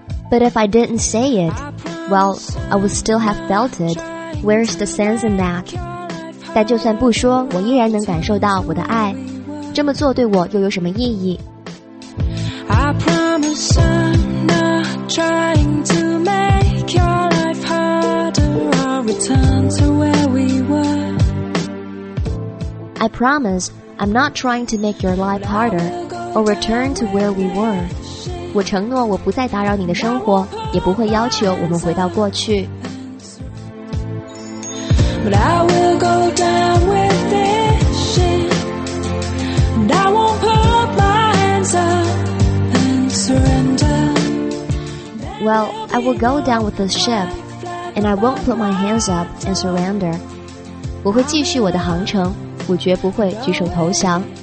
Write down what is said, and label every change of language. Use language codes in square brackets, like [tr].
[en] But if I didn't say it, well, I would still have felt it. Where's the sense in that? [zh] 但就算不说，我依然能感受到我的爱。这么做对我又有什么意义？ [en] I promise I'm not trying to make your life harder. I'll return to where we were. I promise I'm not trying to make your life harder or return to where we were. [zh] 我承诺我不再打扰你的生活，也不会要求我们回到过去。 [en] But I will go down with this shit. And I won't put up my hands up and surrender. Well, I will go down with this ship. And I won't put my hands up and surrender. [zh] 我会继续我的航程，我绝不会举手投降。